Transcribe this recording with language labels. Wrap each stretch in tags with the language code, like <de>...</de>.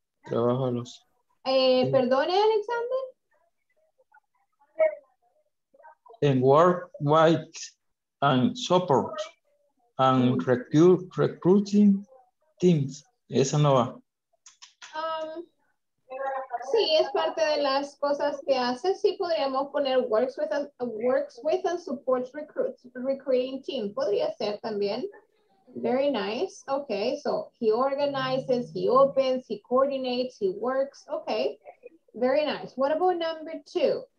<es>Trabajalos. Perdone, Alexander.</es> <en>And work with and support and recruiting teams.</en> <es>Esa no va. Sí, es parte de las cosas que hace. Sí, podríamos poner</es> <en>works with and supports recruiting team.</en> <es>Podría ser también.</es> <en>Very nice. Okay, so he organizes, he opens, he coordinates, he works. Okay, very nice. What about number two?</en>